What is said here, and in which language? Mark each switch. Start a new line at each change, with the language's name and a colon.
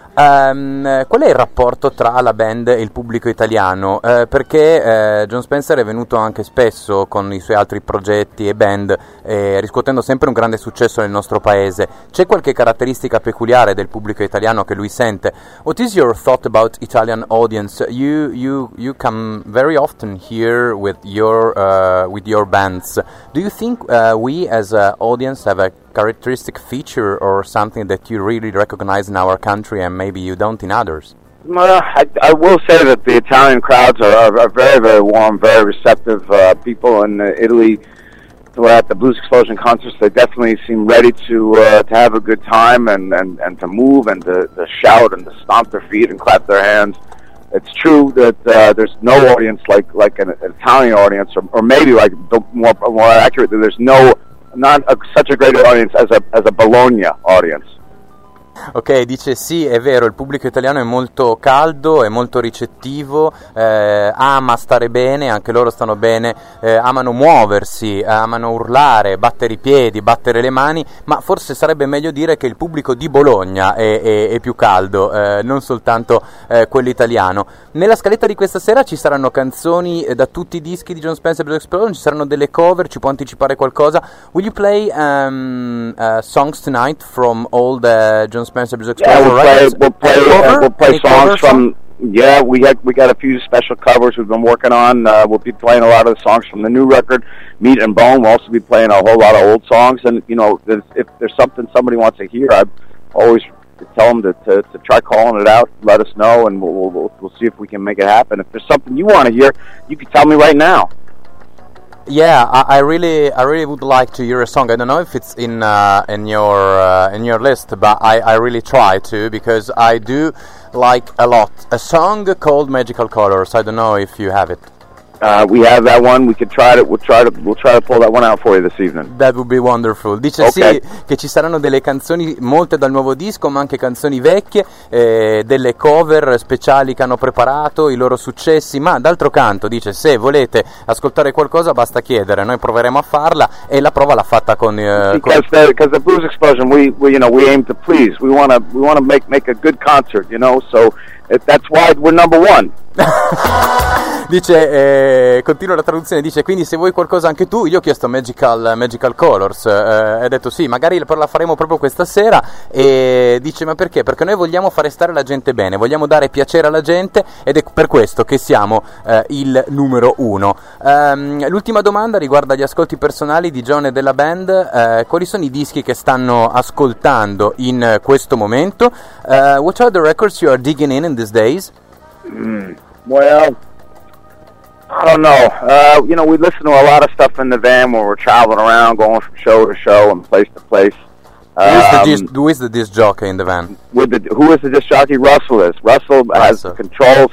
Italian: Qual è il rapporto tra la band e il pubblico italiano? Perché John Spencer è venuto anche spesso con i suoi altri progetti e band, riscuotendo sempre un grande successo nel nostro paese. C'è qualche caratteristica peculiare del pubblico italiano che lui sente?
English: What is your thought about Italian audience? You come very often here with your bands. Do you think we as an audience have a characteristic feature or something that you really recognize in our country and maybe you don't in others? I will say that the Italian crowds are very, very warm, very receptive people in Italy. Who are at the Blues Explosion concerts, they definitely seem ready to have a good time and to move and to shout and to stomp their feet and clap their hands. It's true that there's no audience like an Italian audience, or maybe like more accurately, there's not such a great audience as a Bologna audience.
Italian: Ok, dice sì, è vero, il pubblico italiano è molto caldo, è molto ricettivo, ama stare bene, anche loro stanno bene, amano muoversi, amano urlare, battere i piedi, battere le mani, ma forse sarebbe meglio dire che il pubblico di Bologna è più caldo, non soltanto quello italiano. Nella scaletta di questa sera ci saranno canzoni da tutti i dischi di John Spencer Blues Explosion, ci saranno delle cover, ci può anticipare qualcosa?
English: Will you play songs tonight from all the John Spencer Blues Explosion? Yeah, we'll play songs from. Yeah, we got a few special covers we've been working on. We'll be playing a lot of the songs from the new record, Meat and Bone. We'll also be playing a whole lot of old songs. And you know, if there's something somebody wants to hear, I always tell them to try calling it out. Let us know, and we'll see if we can make it happen. If there's something you want to hear, you can tell me right now. Yeah, I really would like to hear a song. I don't know if it's in your list, but I really try to, because I do like a lot a song called Magical Colors. I don't know if you have it. We have that one. We could try it. We'll try to pull that one out for you this evening. That would be wonderful.
Italian: Dice okay. Sì, che ci saranno delle canzoni, molte dal nuovo disco, ma anche canzoni vecchie, delle cover speciali che hanno preparato, i loro successi. Ma d'altro canto, dice, se volete ascoltare qualcosa, basta chiedere. Noi proveremo a farla, e la prova l'ha fatta con.
English: Because the Blues Explosion, we aim to please. We wanna make a good concert, you know. So that's why we're number one.
Italian: Dice, continua la traduzione, dice, quindi se vuoi qualcosa anche tu, io ho chiesto Magical Colors, ha detto sì, magari la faremo proprio questa sera, e dice, ma perché? Perché noi vogliamo fare stare la gente bene, vogliamo dare piacere alla gente, ed è per questo che siamo il numero uno. L'ultima domanda riguarda gli ascolti personali di John e della band, quali sono i dischi che stanno ascoltando in questo momento?
English: What are the records you are digging in these days? Well, I don't know. You know, we listen to a lot of stuff in the van when we're traveling around, going from show to show and place to place. Who is the disc jockey in the van? Who is the disc jockey? Russell is. Russell has the controls.